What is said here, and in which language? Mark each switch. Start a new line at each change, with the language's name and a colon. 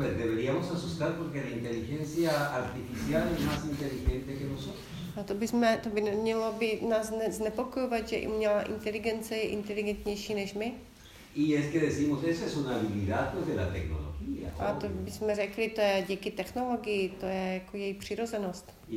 Spanish: Deberíamos asustar porque la inteligencia artificial es más inteligente que nosotros.
Czech: A to by mělo by nás znepokojovat, že umělá inteligence je inteligentnější než my?
Spanish: Y es que decimos, esa es una habilidad pues, de la tecnología.
Czech: A to bychom řekli, to je díky technologii, to je jako její přirozenost.